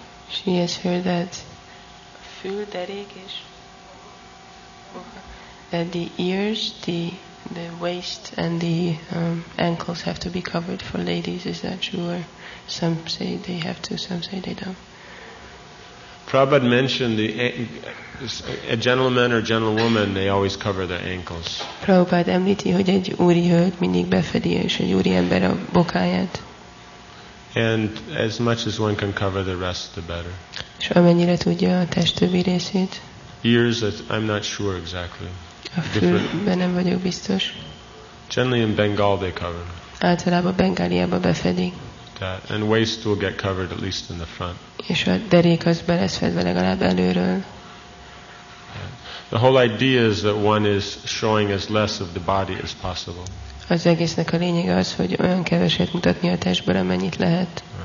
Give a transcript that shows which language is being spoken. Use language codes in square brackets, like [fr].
[en] She has heard that fülderék is that the ears, the waist and the ankles have to be covered for ladies. Is that true? Or some say they have to, some say they don't. Prabhupada mentioned a gentleman or gentlewoman, they always cover their ankles. [hu] Prabhupada említi, hogy egy úri hölgy mindig befedi, és egy úri ember a bokáját. [en] And as much as one can cover the rest, the better. [hu] És amennyire tudja a test többi részét. [en] Ears, I'm not sure exactly. [hu] A fülben nem vagyok biztos. [en] Generally in Bengal they cover. [hu] Általában Bengáliában befedik. [en] That. And waist will get covered at least in the front. [hu] És a derék az be lesz fedve legalább előről. [en] The whole idea is that one is showing as less of the body as possible. [hu] Az egésznek a lényege az, hogy olyan keveset mutatni a testből, amennyit lehet.